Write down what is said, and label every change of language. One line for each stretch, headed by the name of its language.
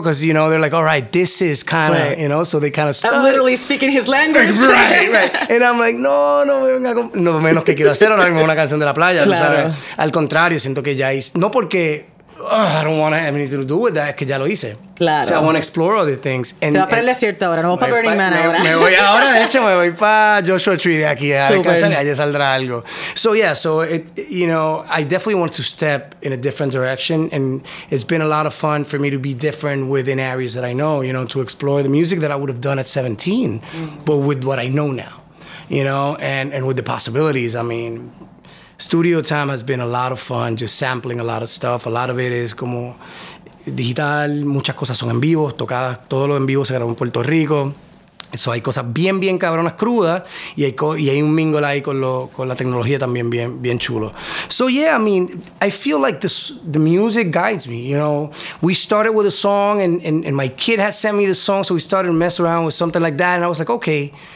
English: Because, you know, they're like, all right, this is kind of, you know. So they kind of start. I'm literally speaking his language. Right, right. And I'm like, no,
Spanish: no me venga con... No, menos que quiero hacer ahora mismo una canción de la playa. Claro. ¿Sabes? Al contrario, siento que ya es... No porque...
English: Oh, I don't want to have anything to do with that.
Spanish: Es que ya lo hice. Claro. O sea,
English: I want to explore other things.
Spanish: And, te va a aprender cierto ahora. No voy para Burning Man ahora. Me voy ahora, de hecho, me voy para Joshua Tree de aquí. Súper. Allí saldrá algo.
English: So, yeah. So, it, you know, I definitely want to step in a different direction. And it's been a lot of fun for me to be different within areas that I know, you know, to explore the music that I would have done at 17, but with what I know now, you know, and with the possibilities. I mean... Studio time has been a lot of fun, just sampling a lot of stuff. A lot of it is
Spanish: como digital, muchas cosas son en vivo, tocadas, todo lo en vivo se grabó en Puerto Rico. Eso hay cosas bien, bien cabronas crudas y hay un mingle ahí con la tecnología también bien, bien chulo.
English: So yeah, I mean, I feel like the music guides me, you know. We started with a song and my kid had sent me the song, so we started to mess around with something like that and I was like, okay.